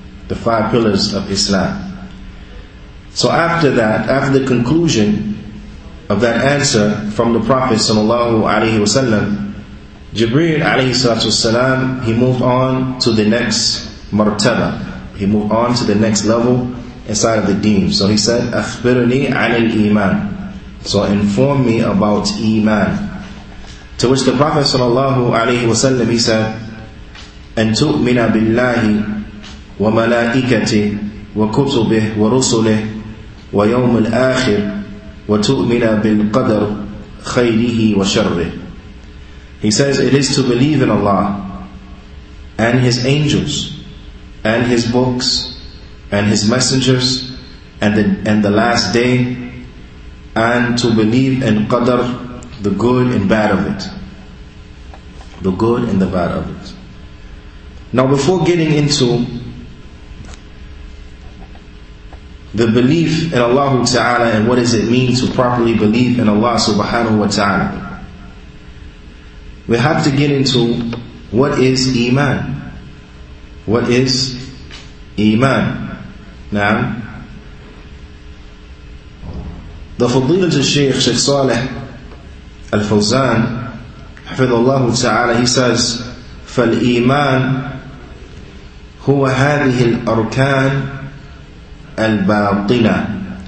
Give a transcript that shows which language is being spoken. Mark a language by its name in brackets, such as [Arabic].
[English] The five pillars of Islam. So after that, after the conclusion of that answer from the Prophet sallallahu alaihi wasallam, Jibreel alaihi salatu wasallam, he moved on to the next martaba. He moved on to the next level inside of the deen. So he said, [Arabic] أخبرني عن الإيمان. [English] So inform me about Iman. To which the Prophet sallallahu alaihi wasallam, he said, [Arabic] أن تؤمن بالله وملائكته وكتبه ورسله ويوم الآخر وتؤمن بالقدر خيره وشره. [English] He says, it is to believe in Allah and His angels and His books and His messengers and the last day, and to believe in Qadr, the good and bad of it. The good and the bad of it. Now before getting into the belief in Allah Ta'ala and what does it mean to properly believe in Allah Subhanahu Wa Ta'ala, we have to get into what is Iman. What is Iman? Now, the Fadilat al-Shaykh, Shaykh Saleh al-Fawzan, [Arabic] حفظ الله تعالى, [English] he says, [Arabic] فالإيمان هو هذه الأركان الباطنة.